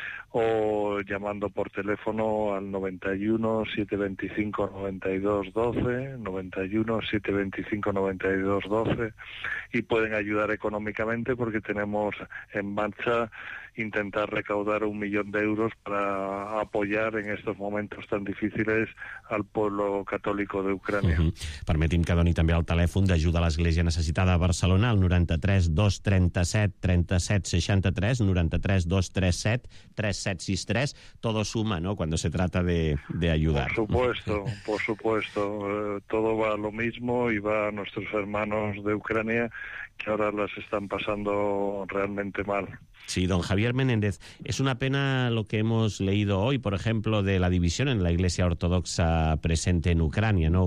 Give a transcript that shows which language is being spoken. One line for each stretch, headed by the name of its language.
Spanish: o llamando por teléfono al 91-725-9212, 91-725-9212, y pueden ayudar económicamente porque tenemos en marcha intentar recaudar 1 millón de euros para apoyar en estos momentos tan difíciles al pueblo católico de Ucrania. Uh-huh.
Catalan: Permetim que doni també el telèfon d'Ajuda a l'Església Necessitada a Barcelona, el 93-237-3763, 93-237-3763.
Spanish: Todo suma, ¿no?, cuando se trata de ayudar. Por supuesto, por supuesto. Todo va a lo mismo y va a nuestros hermanos de Ucrania, que ahora las están pasando realmente mal. Sí, don Javier Menéndez, es una pena lo que hemos leído hoy, por ejemplo, de la división en la Iglesia Ortodoxa presente en Ucrania, ¿no?